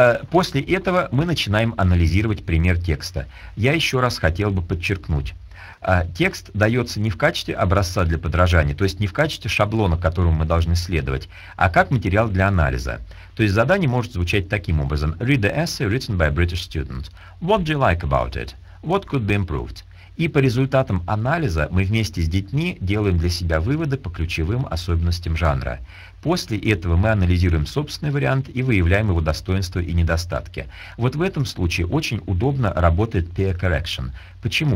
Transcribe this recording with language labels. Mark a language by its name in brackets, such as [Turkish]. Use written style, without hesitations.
[Russian] После этого мы начинаем анализировать пример текста. Я еще раз хотел бы подчеркнуть. Текст дается не в качестве образца для подражания, то есть не в качестве шаблона, которому мы должны следовать, а как материал для анализа. То есть задание может звучать таким образом. [English] Read the essay written by a British student. What do you like about it? What could be improved? [Russian] И по результатам анализа мы вместе с детьми делаем для себя выводы по ключевым особенностям жанра. После этого мы анализируем собственный вариант и выявляем его достоинства и недостатки. Вот в этом случае очень удобно работает peer correction. Почему?